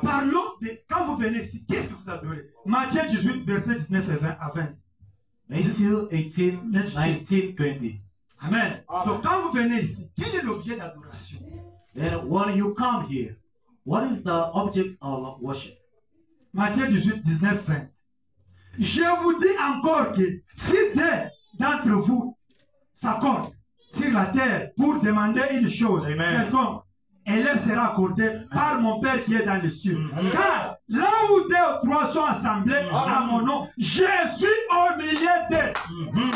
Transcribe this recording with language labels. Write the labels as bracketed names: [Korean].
[French] Parlons de quand vous venez ici, qu'est-ce que vous adorez? Matthieu 18, verset 19 et 20 à 20. Matthieu 18, 19, 20. Amen. Amen. Donc quand vous venez ici, quel est l'objet d'adoration? [English] Then when you come here, what is the object of worship? [French] Matthieu 18, 19, 20. Je vous dis encore que si deux d'entre vous s'accordent sur la terre pour demander une chose, Amen. Quelconque, elle leur sera accordée Amen. Par mon Père qui est dans les cieux. Amen. Car là où deux ou trois sont assemblés Amen. À mon nom, je suis au milieu d'eux.